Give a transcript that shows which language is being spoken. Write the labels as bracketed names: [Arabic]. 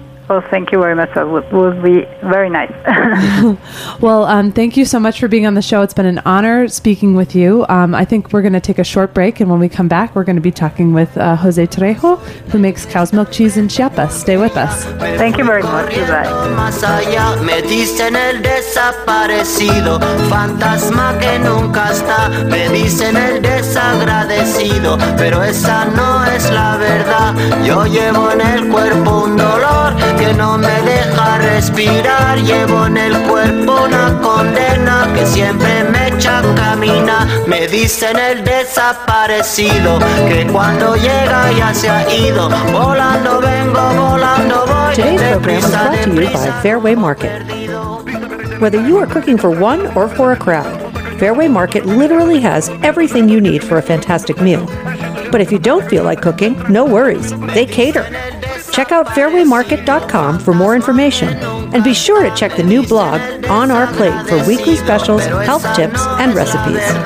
[English] Well, thank you very much. That would be very nice. Well, thank you so much for being on the show. It's been an honor speaking with you. I think we're going to take a short break, and when we come back, we're going to be talking with Jose Trejo, who makes cow's milk cheese in Chiapas. Stay with us. Thank you very much. Goodbye. [Spanish] Me dicen el desaparecido, fantasma que nunca está. Me dicen el desagradecido, pero esa no es la verdad. Yo llevo en el cuerpo un dolor que no me deja respirar. Llevo en el cuerpo una condena que siempre me echa a caminar. Me dicen el desaparecido, que cuando llega ya se ha ido. Volando vengo, volando voy. [English] Today's program is brought to you by Fairway Market. Whether you are cooking for one or for a crowd, Fairway Market literally has everything you need for a fantastic meal. But if you don't feel like cooking, no worries, they cater. Check out fairwaymarket.com for more information, and be sure to check the new blog, On Our Plate, for weekly specials, health tips, and recipes.